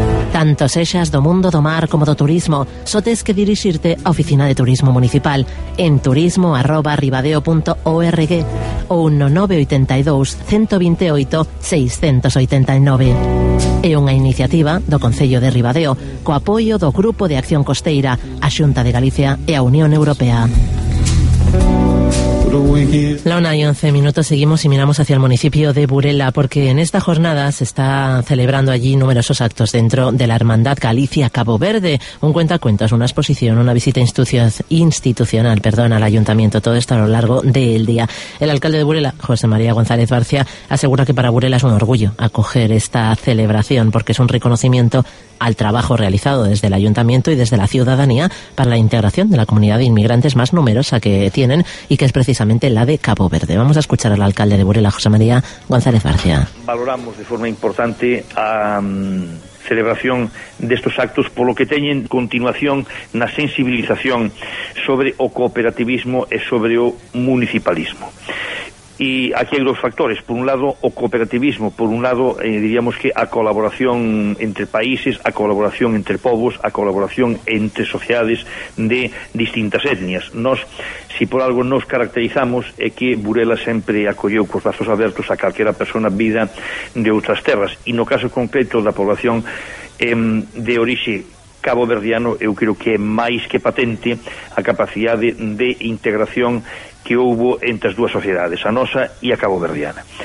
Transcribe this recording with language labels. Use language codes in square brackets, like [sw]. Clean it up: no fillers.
[gl] Tanto sexas do mundo do mar como do turismo, só tes que dirixirte á Oficina de Turismo Municipal en turismo@ribadeo.org ou no 982-128-689. É unha iniciativa do Concello de Ribadeo co apoio do Grupo de Acción Costeira, a Xunta de Galicia e a Unión Europea. [es] La 1:11, seguimos y miramos hacia el municipio de Burela, porque en esta jornada se está celebrando allí numerosos actos dentro de la Hermandad Galicia-Cabo Verde, un cuentacuentos, una exposición, una visita institucional, al ayuntamiento, todo esto a lo largo del día. El alcalde de Burela, José María González Barcia, asegura que para Burela es un orgullo acoger esta celebración, porque es un reconocimiento al trabajo realizado desde el ayuntamiento y desde la ciudadanía para la integración de la comunidad de inmigrantes más numerosa que tienen y que es precisamente la de Cabo Verde. Vamos a escuchar al alcalde de Burela, José María González García. [gl] Valoramos de forma importante a celebración destos actos polo que teñen continuación na sensibilización sobre o cooperativismo e sobre o municipalismo. E aquí hai dos factores, por un lado o cooperativismo, por un lado diríamos que a colaboración entre países, a colaboración entre povos, a colaboración entre sociedades de distintas etnias. Nos, si por algo nos caracterizamos, é que Burela sempre acolleu cos brazos abertos a calquera persona vinda de outras terras, e no caso concreto da población de orixe cabo-verdiano, eu creo que é máis que patente a capacidade de integración que houbo entre as dúas sociedades, a nosa e a cabo-verdiana.